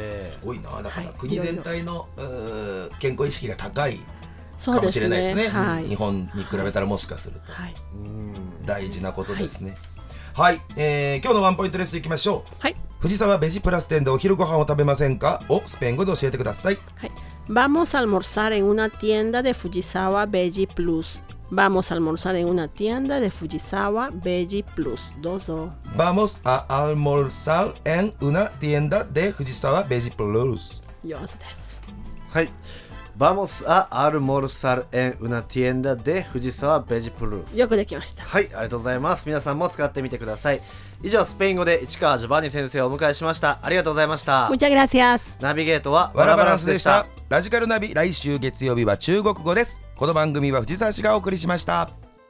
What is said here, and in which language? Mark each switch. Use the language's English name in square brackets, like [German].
[Japanese] すごいな、だから国全体の、はい、健康意識が高いかもしれないですね、はい、日本に比べたらもしかすると、はい、大事なことですね、はい、はい、今日のワンポイントレッスンいきましょう、はい、藤沢ベジプラス店でお昼ご飯を食べませんかをスペイン語で教えてください、はい、 [Spanish] Vamos a almorzar en una tienda de Fujisawa Veggie Plus. Vamos a almorzar en una tienda de Fujisawa Veggie Plus. [Japanese] Dozo. [Spanish] Vamos a almorzar en una tienda de Fujisawa Veggie Plus. [Japanese] Yozo desu. Hai. [Spanish] Vamos a almorzar en una tienda de Fujisawa Veggie Plus. [Japanese] よくできました。はい、ありがとうございます。皆さんも使ってみてください。以上、スペイン語で市川ジョバンニ先生をお迎えしました。ありがとうございました。 [Spanish] Muchas gracias. [Japanese] ナビゲートはワラバランスでした。ラジカルナビ、来週月曜日は中国語です。この番組は藤沢氏がお送りしました。